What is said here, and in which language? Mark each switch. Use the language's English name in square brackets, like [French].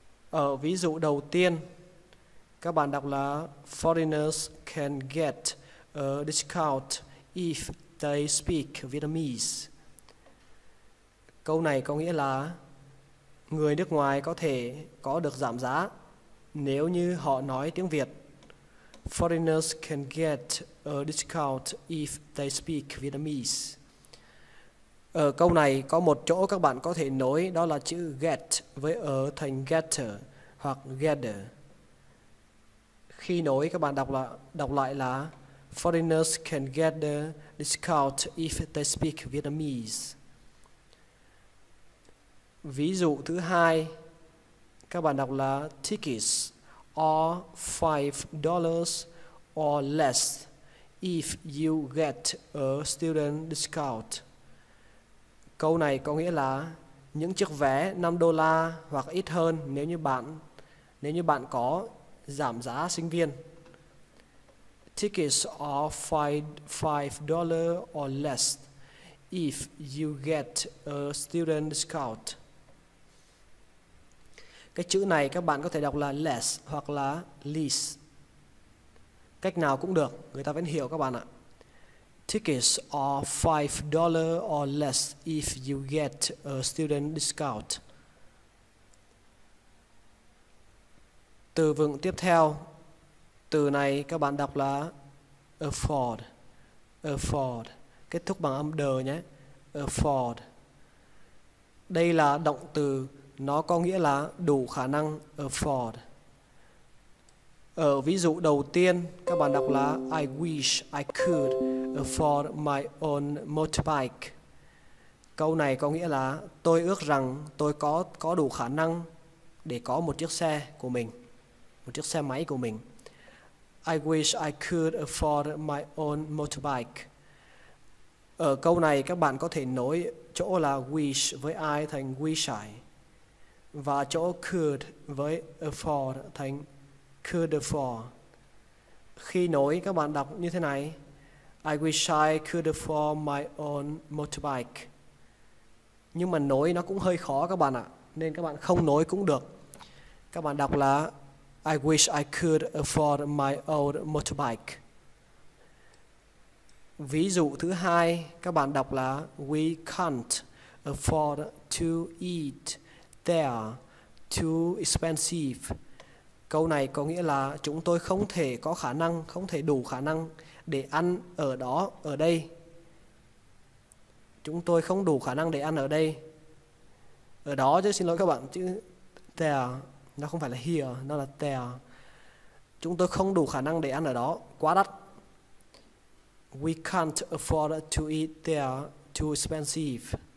[Vietnamese] Ở ví dụ đầu tiên, các bạn đọc là [English] foreigners can get a discount if they speak Vietnamese. [Vietnamese] Câu này có nghĩa là người nước ngoài có thể có được giảm giá nếu như họ nói tiếng Việt. [English] Foreigners can get a discount if they speak Vietnamese. [Vietnamese] Ở câu này có một chỗ các bạn có thể nối đó là chữ get với a thành getter hoặc gather. Khi nối các bạn đọc lại là [English] foreigners can get a discount if they speak Vietnamese. [Vietnamese] Ví dụ thứ hai, các bạn đọc là [English] tickets are $5 or less if you get a student discount. [Vietnamese] Câu này có nghĩa là những chiếc vé $5 hoặc ít hơn nếu như bạn có giảm giá sinh viên. [English] Tickets are $5 or less if you get a student discount. [Vietnamese] Cái chữ này các bạn có thể đọc là less hoặc là least. Cách nào cũng được, người ta vẫn hiểu các bạn ạ. [English] Tickets are $5 or less if you get a student discount. [Vietnamese] Từ vựng tiếp theo, từ này các bạn đọc là afford. Afford kết thúc bằng âm d nhé. Afford. Đây là động từ, nó có nghĩa là đủ khả năng, afford. Ở ví dụ đầu tiên các bạn đọc là [English] I wish I could afford my own motorbike. [Vietnamese] Câu này có nghĩa là tôi ước rằng tôi có đủ khả năng để có một chiếc xe của mình, một chiếc xe máy của mình. [English] I wish I could afford my own motorbike. [Vietnamese] Ở câu này các bạn có thể nối chỗ là wish với I thành wish I, và chỗ could với afford thành could afford. Khi nối các bạn đọc như thế này. [English] I wish I could afford my own motorbike. [Vietnamese] Nhưng mà nối nó cũng hơi khó các bạn ạ, nên các bạn không nối cũng được. Các bạn đọc là [English] I wish I could afford my own motorbike. [Vietnamese] Ví dụ thứ hai các bạn đọc là [English] we can't afford to eat there, too expensive. [Vietnamese] Câu này có nghĩa là chúng tôi không thể có khả năng, không thể đủ khả năng để ăn ở đó, ở đây. Chúng tôi không đủ khả năng để ăn ở đây. Ở đó chứ, xin lỗi các bạn, chứ there, nó không phải là here, nó là there. Chúng tôi không đủ khả năng để ăn ở đó, quá đắt. [English] We can't afford to eat there, too expensive.